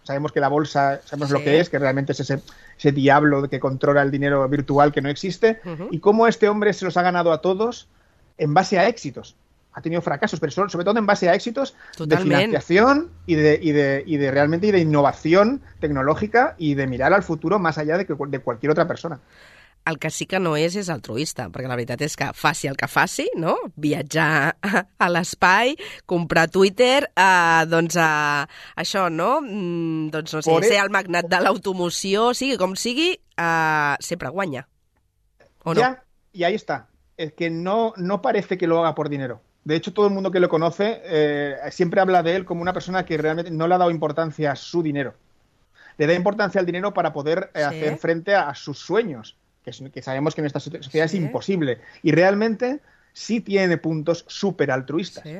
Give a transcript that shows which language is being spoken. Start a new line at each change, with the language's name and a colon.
Spanish: Sabemos que la bolsa, sabemos lo que es, que realmente es ese diablo que controla el dinero virtual que no existe. Y cómo este hombre se los ha ganado a todos en base a éxitos. Ha tenido fracasos, pero sobre todo en base a éxitos de financiación y de innovación tecnológica y de mirar al futuro más allá de cualquier otra persona.
Catalan: El que sí que no és altruista, perquè la veritat és que faci el que faci, no? Viatjar a l'espai, comprar Twitter, això, no? Doncs no sé, ser el magnat de l'automoció, sigui com sigui, sempre guanya, o no?
Spanish: Ya, y ahí está. Es que no parece que lo haga por dinero. De hecho, todo el mundo que lo conoce siempre habla de él como una persona que realmente no le ha dado importancia a su dinero. Le da importancia al dinero para poder hacer frente a sus sueños. Que sabemos que en esta sociedad es imposible. Y realmente sí tiene puntos súper altruistas.